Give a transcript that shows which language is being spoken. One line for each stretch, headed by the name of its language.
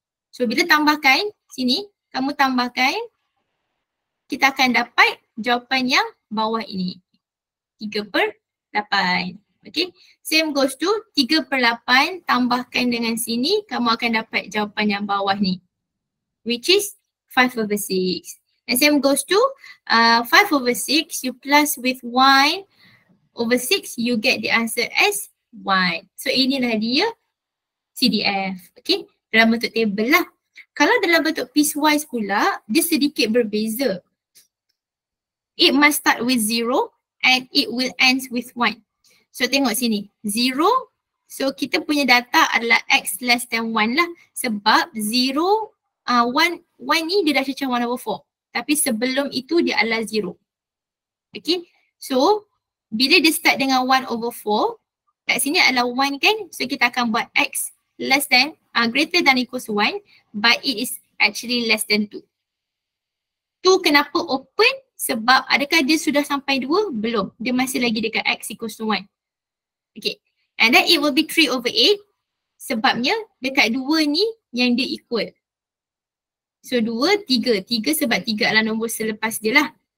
Malay: So bila tambahkan sini, kamu tambahkan, kita akan dapat jawapan yang bawah ini. 3 per 8. Okay.
English: Same goes to
Malay: 3 per 8 tambahkan dengan sini, kamu akan dapat jawapan yang bawah ni.
English: Which is 5 over 6. And same goes to 5 over 6, you plus with 1 over 6, you get the answer as 1.
Malay: So inilah dia CDF. Okay, dalam bentuk table lah. Kalau dalam bentuk piecewise pula, dia sedikit berbeza.
English: It must start with 0 and it will end with 1.
Malay: So tengok sini, 0. So kita punya data adalah
English: x less than 1
Malay: lah. Sebab 0, 1 ni dia dah cecah 1 over 4. Tapi sebelum itu dia adalah 0. Okay. So, bila dia start dengan 1 over 4, kat sini adalah 1 kan?
English: So,
Malay: kita akan buat
English: x less than, greater than equals 1, but it is actually less than 2.
Malay: 2 kenapa open? Sebab adakah dia sudah sampai 2? Belum. Dia masih lagi dekat x equals 1. Okay.
English: And then it will be 3 over 8.
Malay: Sebabnya dekat 2 ni yang dia equal. So 2, 3. 3 sebab 3 adalah nombor selepas dia lah.